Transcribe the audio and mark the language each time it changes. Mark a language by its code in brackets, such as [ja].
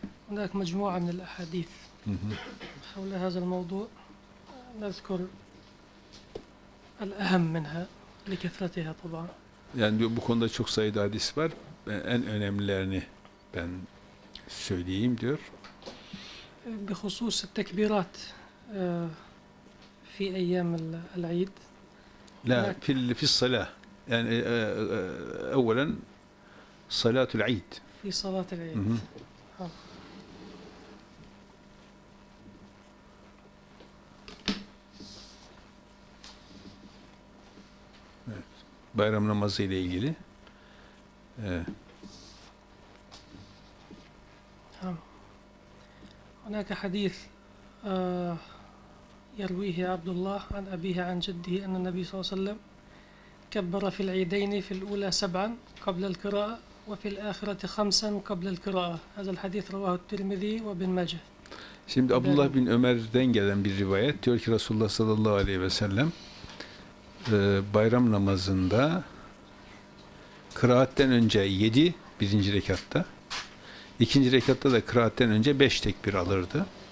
[ar] هناك مجموعة من الأحاديث حول هذا الموضوع نذكر الأهم منها لكثرتها طبعا يعني [tr] diyor, bu konuda çok sayıda hadis var en önemlilerini ben söyleyeyim diyor [ar] بخصوص التكبيرات في أيام العيد لا في الصلاة يعني أولا صلاة العيد في صلاة العيد [tr] bayram namazı ile ilgili. [ar] هناك حديث يرويه عبد الله عن أبيه عن جده أن النبي صلى الله عليه وسلم كبر في العيدين في الأولى سبعا قبل القراءة وفي الآخرة خمسا قبل القراءة. هذا الحديث رواه الترمذي وابن ماجه. [tr] Şimdi Abdullah bin Ömer'den gelen bir rivayet diyor ki Resulullah sallallahu aleyhi ve sellem bayram namazında kıraatten önce 7 birinci rekatta, ikinci rekatta da kıraatten önce 5 tekbir alırdı.